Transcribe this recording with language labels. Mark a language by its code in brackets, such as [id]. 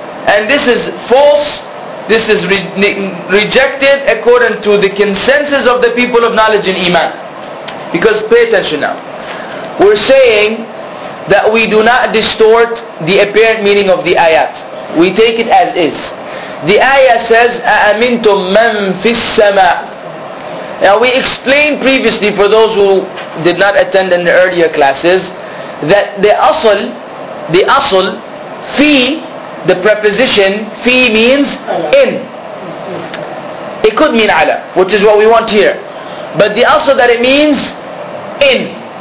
[en] And this is false, this is rejected according to the consensus of the people of knowledge in Iman. Because pay attention now, we're saying that we do not distort the apparent meaning of the ayat. We take it as is. The ayah says, [ar] أَأَمِنْتُمْ مَنْ فِي السَّمَاءِ. [en] Now we explained previously, for those who did not attend in the earlier classes, that the asl, fi, the preposition, fi means in. It could mean ala, which is what we want here. But the asl that it means, in.